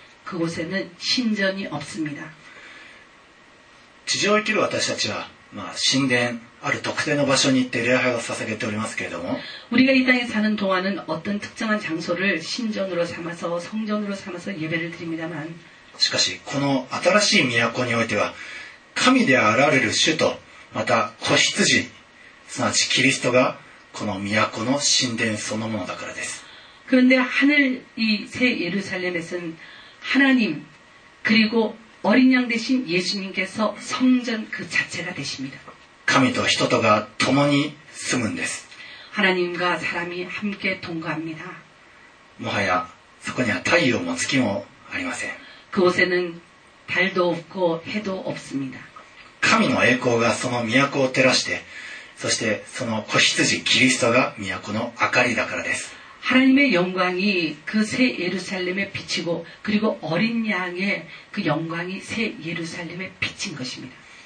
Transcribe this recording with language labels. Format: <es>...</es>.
<ko>그곳에는신전이없습니다</ko> <ja>地上生きる私たちは、まあ、神殿ある特定の場所に行って礼拝を捧げておりますけれども</ja> <ko>우리가이땅에사는동안은어떤특정한장소를신전으로삼아서성전으로삼아서예배를드립니다만</ko> <ja>しかしこの新しい都においては神であられる主とまた子羊すなわちキリストがこの都の神殿そのものだからです</ja> <ko>그런데하늘이새예루살렘에선하나님그리고어린양대신예수님께서성전그자체가되십니다 하나님과사람이함께살는것입니다 하나님과사람이함께동거합니다</ko> <ja>もはやそこには太陽も月もありません</ja> <ko>그곳에는달도없고해도없습니다 하나님의영광이</ko> <ja>その都を照らしてそしてその子羊キリストが都の明かりだからです</ja> <ko>하나님의영광이그새예루살렘에비치고그리고어린양의그영광이새예루살렘에비친것입니다</ko>